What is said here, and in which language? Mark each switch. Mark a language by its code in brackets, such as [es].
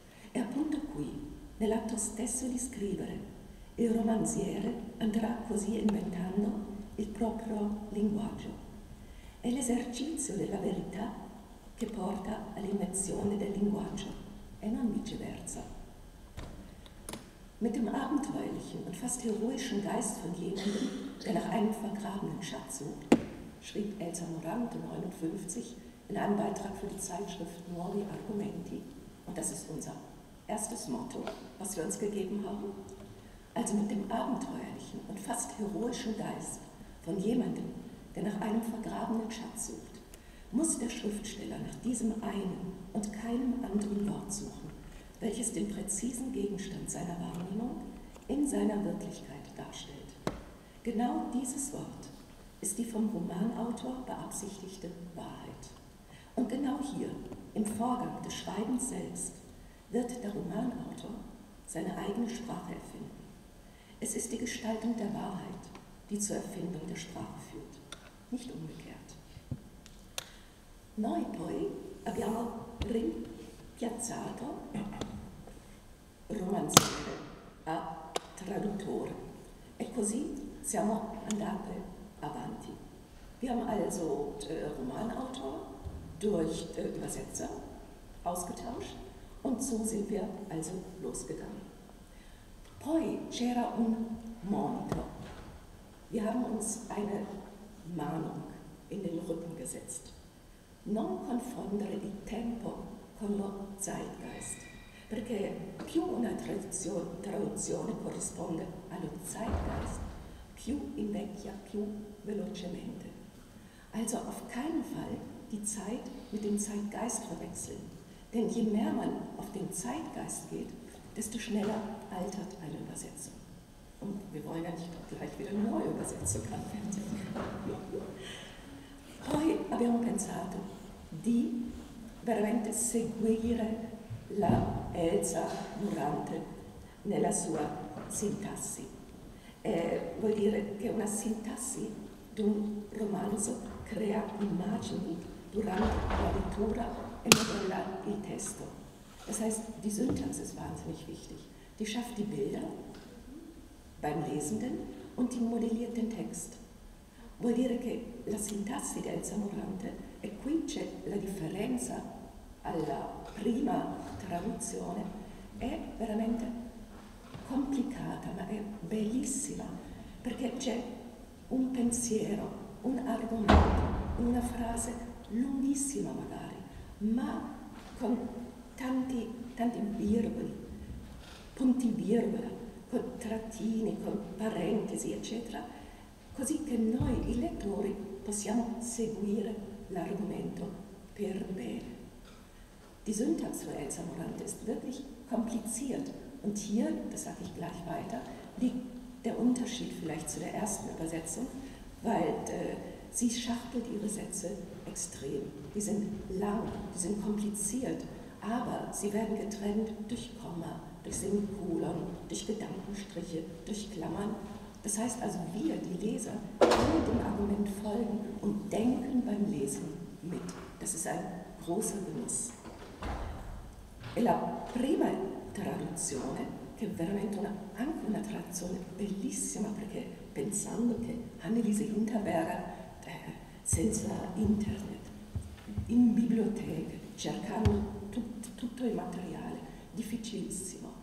[it] E appunto qui, nell'atto stesso di scrivere, il romanziere andrà così inventando il proprio linguaggio. È l'esercizio della verità che porta all'invenzione del linguaggio e non viceversa. [de] Mit dem abenteuerlichen und fast heroischen Geist von jemandem, der nach einem vergrabenen Schatz sucht, schrieb Elsa Morante 59 in einem Beitrag für die Zeitschrift Nuovi Argomenti, und das ist unser erstes Motto, was wir uns gegeben haben. Also mit dem abenteuerlichen und fast heroischen Geist von jemandem, der nach einem vergrabenen Schatz sucht, muss der Schriftsteller nach diesem einen und keinem anderen Wort suchen, welches den präzisen Gegenstand seiner Wahrnehmung in seiner Wirklichkeit darstellt. Genau dieses Wort ist die vom Romanautor beabsichtigte Wahrheit. Und genau hier, im Vorgang des Schreibens selbst, wird der Romanautor seine eigene Sprache erfinden. Es ist die Gestaltung der Wahrheit, die zur Erfindung der Sprache führt, nicht umgekehrt. [it] Noi poi abbiamo rimpiazzato romanziere a traduttore. E così siamo andate avanti. [de] Wir haben also Romanautor durch Übersetzer ausgetauscht und so sind wir also losgegangen. [it] Poi c'era un monito. [de] Wir haben uns eine Mahnung in den Rücken gesetzt. [it] Non confondere il tempo con lo Zeitgeist. Perché più una traduzione corrisponde allo Zeitgeist, più invecchia, più velocemente. [de] Also auf keinen Fall die Zeit mit dem Zeitgeist verwechseln. Denn je mehr man auf den Zeitgeist geht, desto schneller altert eine Übersetzung. Und wir wollen ja nicht gleich wieder eine neue Übersetzung anfertigen. [it] Poi abbiamo pensato di veramente seguire la Elsa Morante nella sua sintassi. Vuol dire che una sintassi di un romanzo crea immagini durante la lettura e modella il testo. [de] Das heißt, die Syntax ist wahnsinnig wichtig. Die schafft die Bilder beim Lesenden und die modelliert den Text. [it] Vuol dire che la sintassi di Elsa Morante, e qui c'è la differenza alla prima traduzione, è veramente complicata, ma è bellissima, perché c'è un pensiero, un argomento, una frase lunghissima magari, ma con tanti virgoli, punti virgola, con trattini, con parentesi, eccetera, così che noi, i lettori, possiamo seguire l'argomento per bene. [de] Die Syntax für Elsa Morante ist wirklich kompliziert. Und hier, das sage ich gleich weiter, liegt der Unterschied vielleicht zu der ersten Übersetzung, weil sie schachtelt ihre Sätze extrem. Die sind lang, die sind kompliziert, aber sie werden getrennt durch Komma, durch Semikolon, durch Gedankenstriche, durch Klammern. Das heißt also, wir, die Leser, können dem Argument folgen und denken beim Lesen mit. Das ist ein großer Genuss. [it] E la prima traduzione, che è veramente una, anche una traduzione bellissima, perché pensando che Anneliese Hinterberger, senza internet, in biblioteche, cercando tutto il materiale, difficilissimo.